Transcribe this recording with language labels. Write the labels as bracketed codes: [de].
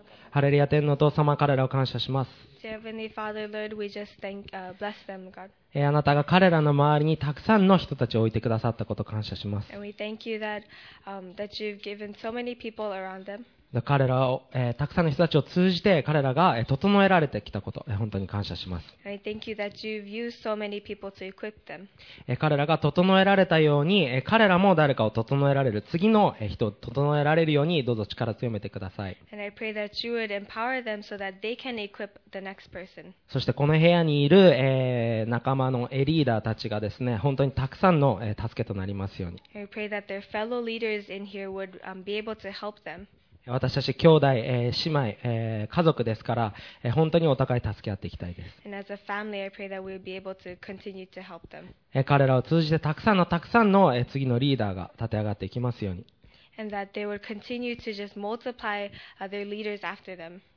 [ja] ハレルヤ天のお父様彼らを感謝します。 [en] Heavenly Father, Lord, we just thank, bless them, God. [ja] あなたが彼らの周りにたくさんの人たちを置いてくださったことを感謝します。 [en] And we thank you that, that you've given so many people around them. [ja] 彼らを、たくさんの人たちを通じて彼らが整えられてきたこと、本当に感謝します。 [en] And I thank you that you've used so many people to equip them. [ja] 彼らが整えられたように、彼らも誰かを整えられる、次の人を整えられるように、どうぞ力強めてください。 [en] And I pray that you would empower them so that they can equip the next person. [ja] そしてこの部屋にいる、仲間のリーダーたちがですね、本当にたくさんの助けとなりますように。 [en] And I pray that their fellow leaders in here would, be able to help them. [ja] 私たち兄弟、姉妹、家族ですから、本当にお互い助け合っていきたいです。 [en] And as a family, I pray that we'll be able to continue to help them. [ja] 彼らを通じてたくさんのたくさんの、次のリーダーが立て上がっていきますように。 [en] And that they will continue to just multiply their leaders after them.